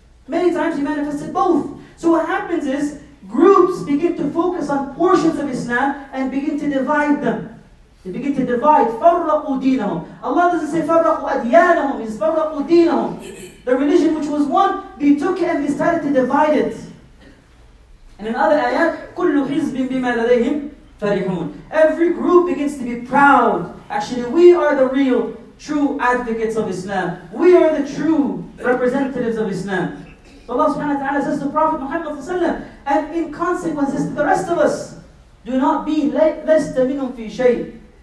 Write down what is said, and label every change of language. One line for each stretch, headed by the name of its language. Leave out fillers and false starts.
English: Many times he manifested both. So what happens is, groups begin to focus on portions of Islam and begin to divide them. They begin to divide.
Arabic: فَرَّقُوا دِينَهُمْ.
English: Allah doesn't say
Arabic: فَرَّقُوا أَدْيَانَهُمْ.
English: It's
Arabic: فَرَّقُوا دِينَهُمْ.
English: The religion which was one, they took it and they started to divide it. And in other ayat,
Arabic: كل حزب بما لديهم فرحون.
English: Every group begins to be proud. Actually, we are the real, true advocates of Islam. We are the true representatives of Islam. So Allah subhanahu wa ta'ala says to Prophet Muhammad sallallahu alayhi wa sallam, and in consequence to the rest of us, do not be less than
Arabic: minhum fi shay.